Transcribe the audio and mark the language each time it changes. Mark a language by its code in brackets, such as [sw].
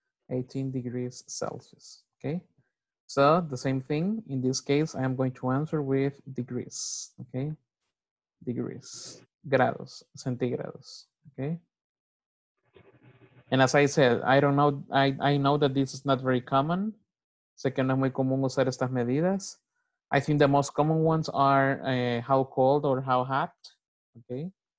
[en] 18 degrees Celsius. Okay. So the same thing in this case, I am going to answer with degrees. Okay. Degrees. Grados. Centígrados. Okay. And as I said, I don't know, I know that this is not very common. [es] Sé que no es muy común usar estas medidas. [en] I think the most common ones are how cold or how hot, okay?